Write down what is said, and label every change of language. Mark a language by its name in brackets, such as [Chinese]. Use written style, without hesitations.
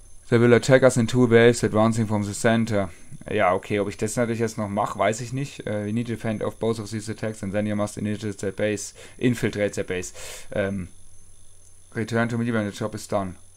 [English] They will attack us in two waves advancing from the center. [German] Ja, okay, ob ich das natürlich jetzt noch mache, weiß ich nicht. [English] We need to defend off both of these attacks and then you must infiltrate the base. Return to me when the job is done.